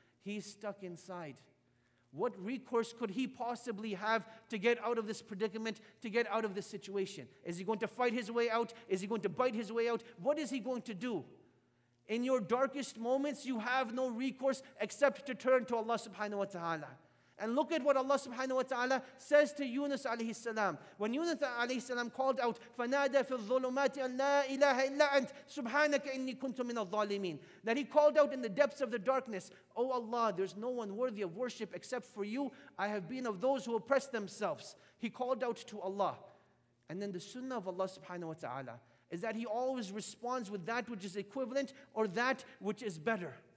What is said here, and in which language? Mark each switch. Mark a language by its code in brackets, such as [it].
[en] He's stuck inside. What recourse could he possibly have to get out of this predicament, to get out of this situation? Is he going to fight his way out? Is he going to bite his way out? What is he going to do? In your darkest moments, you have no recourse except to turn to Allah subhanahu wa ta'ala. And look at what Allah subhanahu wa ta'ala says to Yunus alayhi salam. When Yunus alayhi salam called out, [ar] فَنَادَ فِي الظُّلُمَاتِ أَنْ لَا إِلَهَ إِلَّا أَنْتَ سُبْحَانَكَ إِنِّي كُنْتُ مِنَ الظَّالِمِينَ. [en] That he called out in the depths of the darkness, oh Allah, there's no one worthy of worship except for you. I have been of those who oppress themselves. He called out to Allah. And then the sunnah of Allah subhanahu wa ta'ala is that he always responds with that which is equivalent or that which is better.